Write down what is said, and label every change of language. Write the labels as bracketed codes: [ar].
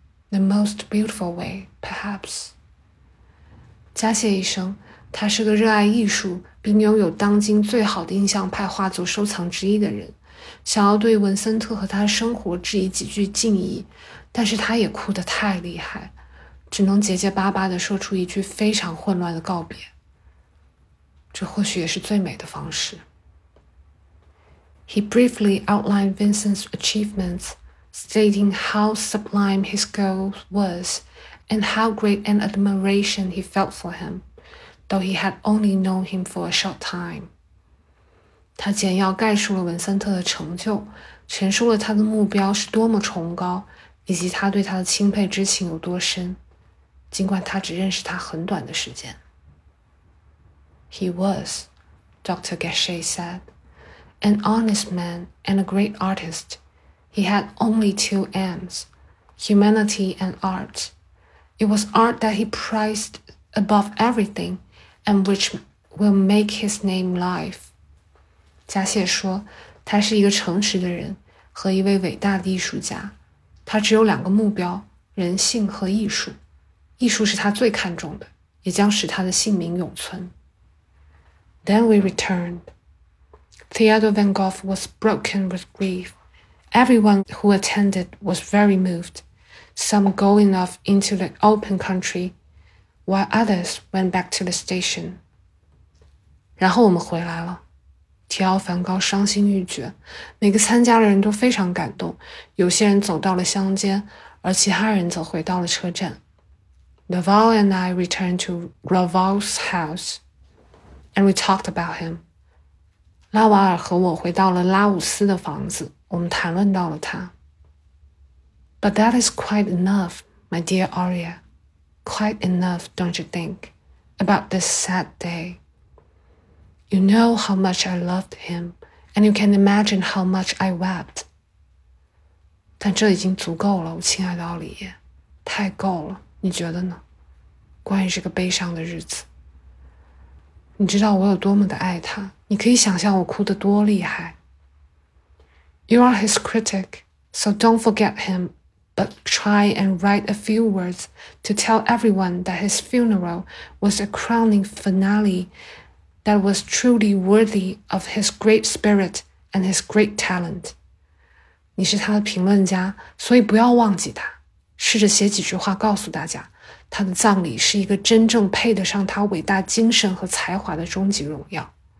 [en] The most beautiful way, perhaps. [zh] 加谢医生，他是个热爱艺术并拥有当今最好的印象派画作收藏之一的人，想要对文森特和他的生活致以几句敬意，但是他也哭得太厉害，只能结结巴巴地说出一句非常混乱的告别。这或许也是最美的方式。 [en] He briefly outlined Vincent's achievements,stating how sublime his goal was and how great an admiration he felt for him, though he had only known him for a short time. [zh] 他简要概述了文森特的成就，陈述了他的目标是多么崇高，以及他对他的钦佩之情有多深，尽管他只认识他很短的时间。 [en] He was, Dr. Gachet said, an honest man and a great artist,He had only two aims, humanity and art. It was art that he prized above everything and which will make his name live. [zh] 加谢说，他是一个诚实的人和一位伟大的艺术家。他只有两个目标，人性和艺术。艺术是他最看重的，也将使他的姓名永存。 [en] Then we returned. Theodor van Gogh was broken with grief. Everyone who attended was very moved, some going off into the open country, while others went back to the station. [zh] 然后我们回来了。提奥梵高伤心欲绝，每个参加的人都非常感动，有些人走到了乡间，而其他人则回到了车站。 [en] Laval and I returned to Laval's house, and we talked about him. [zh] 拉瓦尔和我回到了拉伍斯的房子。我们谈论到了他。 [en] But that is quite enough, my dear Aria. Quite enough, don't you think, about this sad day. You know how much I loved him, and you can imagine how much I wept. [zh] 但这已经足够了，我亲爱的奥里耶，太够了，你觉得呢？关于这个悲伤的日子。你知道我有多么的爱他，你可以想象我哭得多厉害。 [en] You are his critic, so don't forget him, but try and write a few words to tell everyone that his funeral was a crowning finale that was truly worthy of his great spirit and his great talent. [zh] 你是他的评论家，所以不要忘记他。试着写几句话告诉大家，他的葬礼是一个真正配得上他伟大精神和才华的终极荣耀。